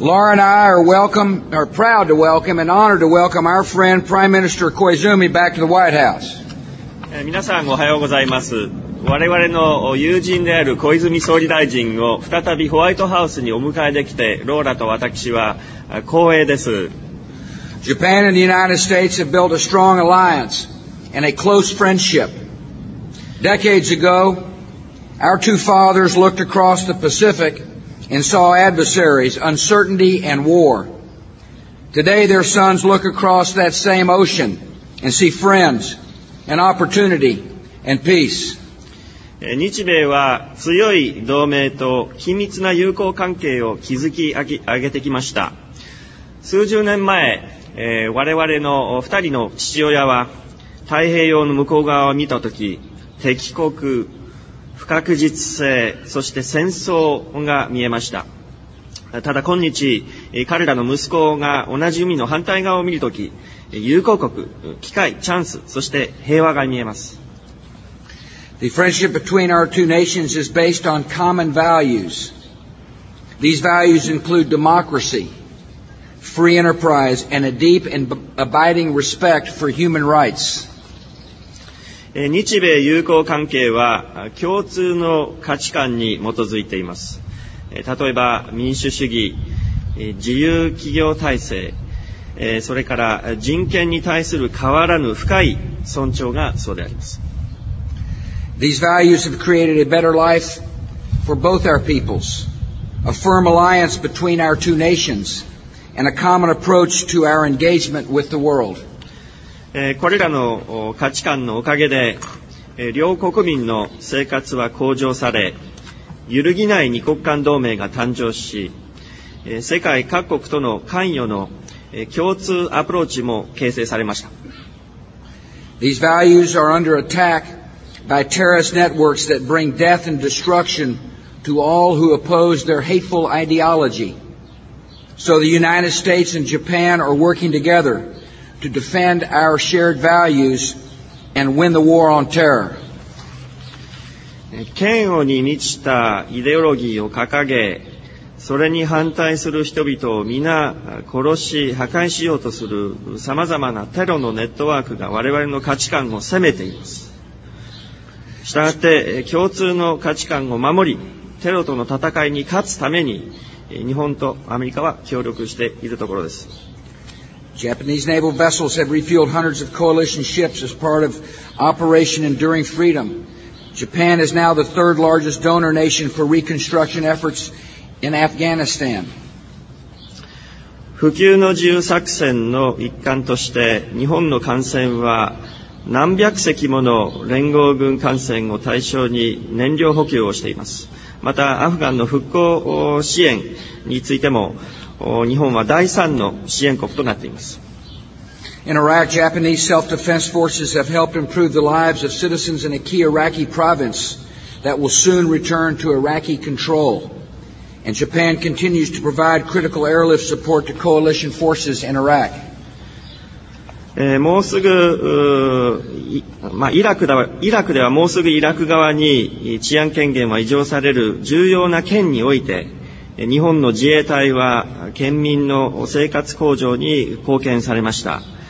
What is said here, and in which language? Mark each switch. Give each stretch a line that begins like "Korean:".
English: Laura and I are proud to welcome and honored to welcome our friend Prime Minister Koizumi back to the White House.
Japanese: 皆さんおはようございます。我々の友人である小泉総理大臣を再びホワイトハウスにお迎えできて、ローラと私は光栄です。
English: Japan and the United States have built a strong alliance and a close friendship. Decades ago, our two fathers looked across the Pacific and saw adversaries, uncertainty and war. Today, their sons look across that same ocean and see friends and opportunity and peace.
Japanese: 日米は強い同盟と緊密な友好関係を築き上げてきました。数十年前、我々の2人の父親は太平洋の向こう側を見たとき、敵国、不確実性、そして戦争が見えました。ただ今日、彼らの息子が同じ海の反対側を見るとき、友好国、機会、チャンス、そして平和が見えます。
English: The friendship between our two nations is based on common values. These values include democracy, free enterprise, and a deep and abiding respect for human rights.
Japanese: 日米友好関係は共通の価値観に基づいています。例えば民主主義、自由企業体制、それから人権に対する変わらぬ深い尊重がそうであります。
English: These values have created a better life for both our peoples. A firm alliance between our two nations and a common approach to our engagement with the world.
Japanese: これらの価値観のおかげで、両国民の生活は向上され、揺るぎない二国間同盟が誕生し、世界各国との関与の共通アプローチも形成されました。
English: These values are under attack by terrorist networks that bring death and destruction to all who oppose their hateful ideology. So the United States and Japan are working together to defend our shared values and win the war on terror.
Japanese: 嫌悪に満ちたイデオロギーを掲げ、それに反対する人々を皆殺し、破壊しようとする様々なテロのネットワークが我々の価値観を攻めています。したがって共通の価値観を守り、テロとの戦いに勝つために日本とアメリカは協力しているところです。
English: Japanese naval vessels have refueled hundreds of coalition ships as part of Operation Enduring Freedom. Japan is now the third largest donor nation for reconstruction efforts in Afghanistan.
Japanese: 普及の自由作戦の一環として、日本の艦船は何百隻もの連合軍艦船を対象に燃料補給をしています。また、アフガンの復興支援についても、日本は第三の支援国となっています。
English: In Iraq, Japanese self-defense forces have helped improve the lives of citizens in a key Iraqi province that will soon return to Iraqi control. And Japan continues to provide critical airlift support to coalition forces in Iraq.
Japanese: もうすぐ、イラクではもうすぐイラク側に治安権限は移譲される重要な県において、日本の自衛隊は県民の生活向上に貢献されました。